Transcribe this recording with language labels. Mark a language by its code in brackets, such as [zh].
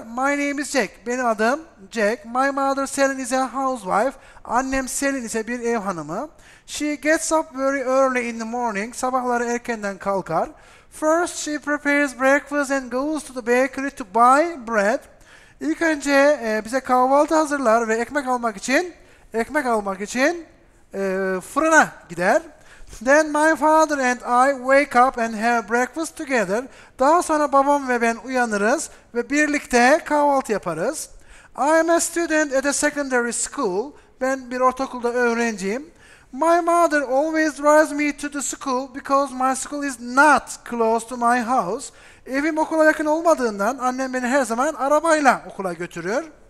[en] My name is Jack. [tr] Benim adım Jack. [en] My mother Selin is a housewife. [tr] Annem Selin ise bir ev hanımı. [en] She gets up very early in the morning. [tr] Sabahları erkenden kalkar. [en] First she prepares breakfast and goes to the bakery to buy bread. [tr] İlk önce bize kahvaltı hazırlar ve ekmek almak için fırına gider. [en] Then my father and I wake up and have breakfast together. [tr] Daha sonra babam ve ben uyanırız ve birlikte kahvaltı yaparız. [en] I am a student at a secondary school. [tr] Ben bir ortaokulda öğrenciyim. [en] My mother always drives me to the school because my school is not close to my house. [tr] Evim okula yakın olmadığından annem beni her zaman arabayla okula götürür.